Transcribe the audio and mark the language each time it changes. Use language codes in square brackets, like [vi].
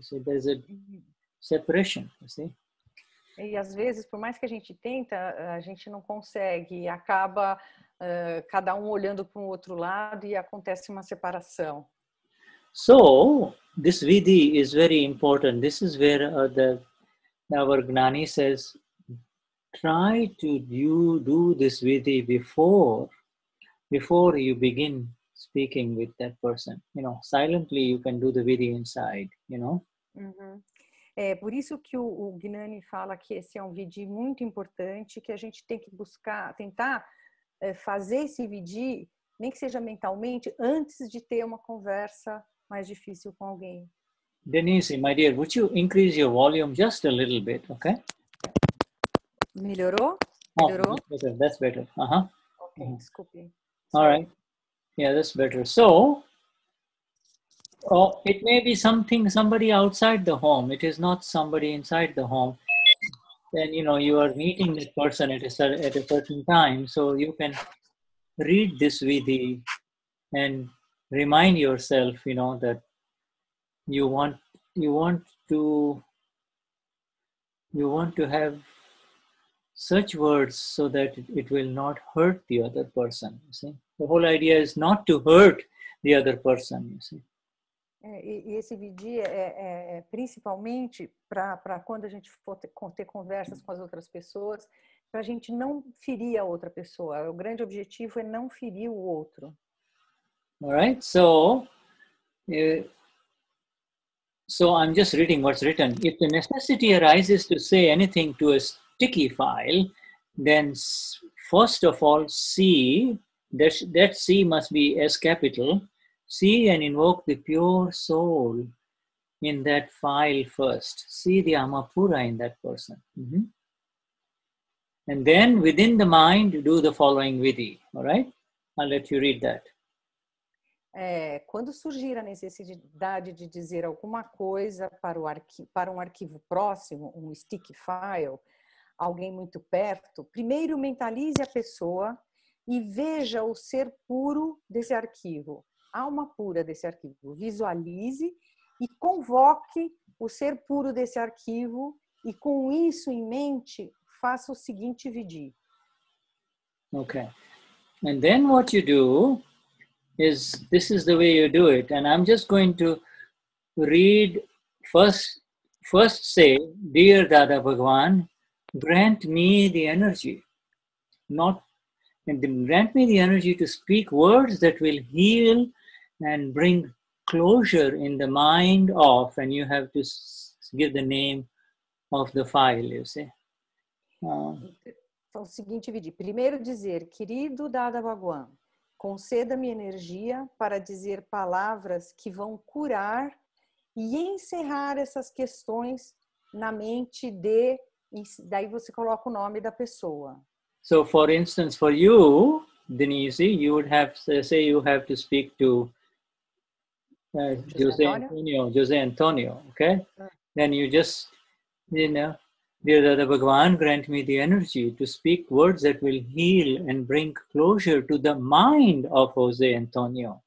[en] So there's a separation, you see. [pt] E às vezes, por mais que a gente tenta, a gente não consegue. Acaba cada olhando para o outro lado e acontece uma separação. [en] So, this vidhi is very important. This is where our Gnani says, try to do this vidhi before you begin speaking with that person. You know, silently you can do the vidhi inside, you know. Uhum. [pt] Por isso que o Gnani fala que esse é um vidhi muito importante, que a gente tem que buscar, tentar fazer esse vidhi, nem que seja mentalmente, antes de ter uma conversa mais difícil com alguém. [en] Denise, my dear, would you increase your volume just a little bit, okay? [pt] Melhorou? Melhorou? [en] Oh, that's better. Uh-huh. Okay, mm-hmm. Desculpe. All right. Yeah, that's better. So, it may be somebody outside the home. It is not somebody inside the home. Then, you know, you are meeting this person at a certain time. So, you can read this vidhi and remind yourself, you know, that you want to have such words so that it will not hurt the other person, you see. The whole idea is not to hurt the other person, you see. [pt] E esse vídeo é principalmente para quando a gente for ter conversas com as outras pessoas, para a gente não ferir a outra pessoa. O grande objetivo é não ferir o outro. [en] All right, so I'm just reading what's written. If the necessity arises to say anything to a sticky file, then first of all, see, that C must be S capital, see and invoke the pure soul in that file first. See the Amapura in that person. Mm-hmm. And then within the mind, do the following vidhi. All right, I'll let you read that. [pt] Quando surgir a necessidade de dizer alguma coisa para um arquivo próximo, um stick file, alguém muito perto, primeiro mentalize a pessoa e veja o ser puro desse arquivo, alma pura desse arquivo. Visualize e convoque o ser puro desse arquivo e com isso em mente, faça o seguinte vidi. [en] Okay. And then what you do is, this is the way you do it, and I'm just going to read first say, dear Dada Bhagwan, grant me the energy, not and grant me the energy to speak words that will heal and bring closure in the mind of, and you have to give the name of the file, you see. [pt] Então, o seguinte, Vidi. Primeiro dizer, querido Dada Bhagwan, conceda-me energia para dizer palavras que vão curar e encerrar essas questões na mente de... Daí você coloca o nome da pessoa. [en] So, for instance, for you, Denise, you would have, say you have to speak to José Antonio, okay? Then you just, you know, dear Dada Bhagwan, grant me the energy to speak words that will heal and bring closure to the mind of José Antonio.